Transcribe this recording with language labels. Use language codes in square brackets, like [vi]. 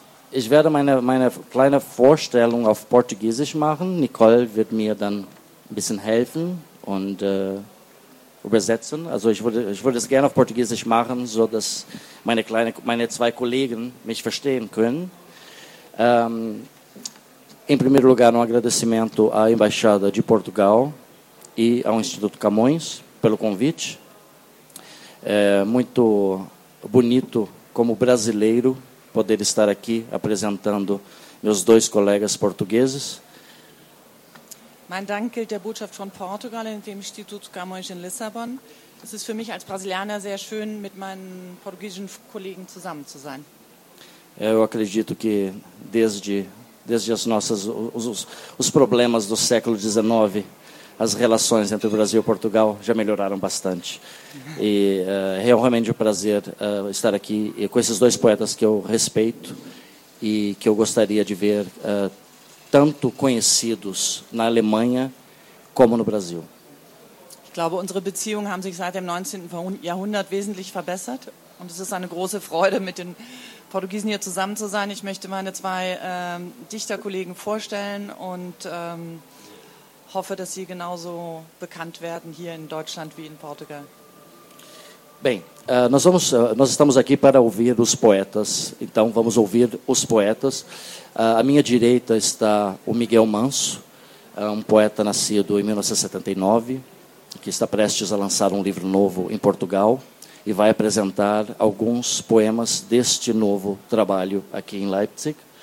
[de] Ich werde meine kleine Vorstellung auf Portugiesisch machen. Nicole wird mir dann ein bisschen helfen und übersetzen. Also ich würde es gerne auf Portugiesisch machen, so dass meine zwei Kollegen mich verstehen können. [pt] Em primeiro lugar, agradecimento à Embaixada de Portugal e ao Instituto Camões pelo convite. É muito bonito, como brasileiro, poder estar aqui apresentando meus dois colegas portugueses. [de] Mein Dank gilt der Botschaft von Portugal und dem Instituto Camões in Lissabon. Es ist für mich als Brasilianer sehr schön, mit meinen portugiesischen Kollegen zusammen zu sein. [pt] Eu acredito que desde as nossas os problemas do século XIX, as relações entre o Brasil e Portugal já melhoraram bastante. E realmente é um prazer estar aqui com esses dois poetas que eu respeito e que eu gostaria de ver tanto conhecidos na Alemanha como no Brasil. [de] Ich glaube, unsere Beziehungen haben sich seit dem 19. Jahrhundert wesentlich verbessert und es ist eine große Freude, mit den Portugiesen hier zusammen zu sein. Ich möchte meine zwei Dichterkollegen vorstellen und hoffe, dass sie genauso bekannt werden hier in Deutschland wie in Portugal. [pt] Bem, nós estamos aqui para ouvir os poetas. Então, vamos ouvir os poetas. À minha direita está o Miguel Manso, um poeta nascido em 1979, que está prestes a lançar um livro novo em Portugal e vai apresentar alguns poemas deste novo trabalho aqui em Leipzig.